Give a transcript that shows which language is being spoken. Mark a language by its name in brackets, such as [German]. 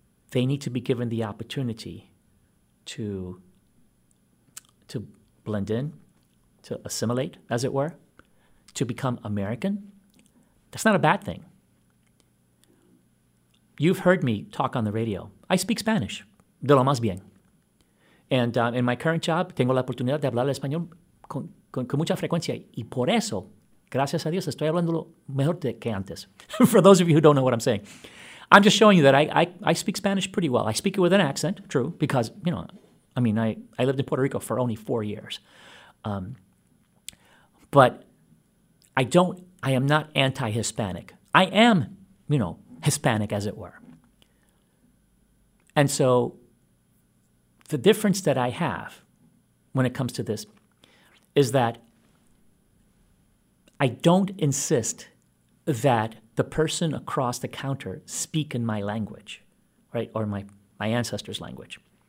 [English] They need to be given the opportunity to blend in, to assimilate, as it were, to become American. That's not a bad thing. You've heard me talk on the radio. I speak Spanish, [Spanish] de lo más bien. [English] And in my current job, [Spanish] tengo la oportunidad de hablar español con mucha frecuencia. Y por eso, gracias a Dios, estoy hablando mejor que antes. [English] For those of you who don't know what I'm saying, I'm just showing you that I speak Spanish pretty well. I speak it with an accent, true, because, you know, I mean, I lived in Puerto Rico for only 4 years. But I am not anti-Hispanic. I am, you know, Hispanic, as it were. And so the difference that I have when it comes to this is that I don't insist that the person across the counter speak in my language, right, or my ancestors' language.